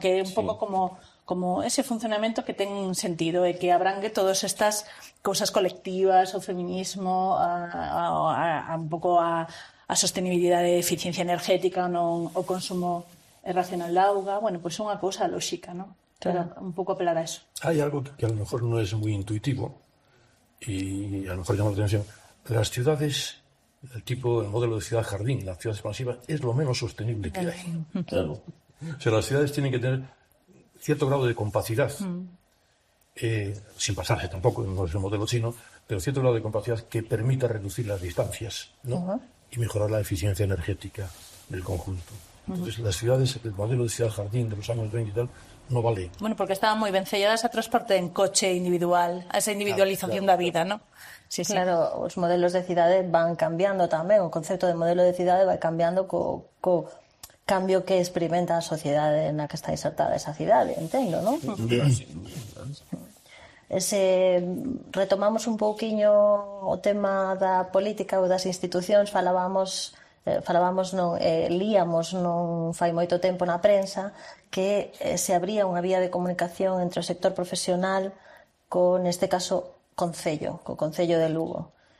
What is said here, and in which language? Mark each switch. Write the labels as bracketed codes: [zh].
[gl] Que é un pouco como ese funcionamento que ten sentido e que abrangue todas estas cousas colectivas, o feminismo, a sostenibilidade, a eficiencia energética, non, o consumo racional da auga, bueno, pois pues unha cousa lógica, non? Claro. Un pouco apelar a eso. Hai algo que [es] a lo mejor [gl] non é moi intuitivo e a lo mejor chama a atención. [es] As ciudades, el modelo de ciudad-jardín, la ciudad expansiva, é lo menos sostenible que hai. Claro. O sea, as ciudades tienen que tener cierto grado de compacidad, sin pasarse tampoco, no es el modelo chino, pero cierto grado de compacidad que permita reducir las distancias, ¿no? Uh-huh. Y mejorar la eficiencia energética del conjunto. Entonces, uh-huh, las ciudades, el modelo de ciudad-jardín de los años 20 y tal, no vale. Bueno, porque estaban muy vencelladas a transporte en coche individual, a esa individualización de la vida, ¿no? Sí, claro, sí. Los modelos de ciudades van cambiando también, el concepto de modelo de ciudades va cambiando con cambio que experimenta [gl] a sociedade na que está insertada esa cidade, entendo, non? Se retomamos un pouquiño o tema da política ou das institucións, falábamos falábamos non, líamos non fai moito tempo na prensa que se abría unha vía de comunicación entre o sector profesional con, neste caso, Concello, co Concello de Lugo.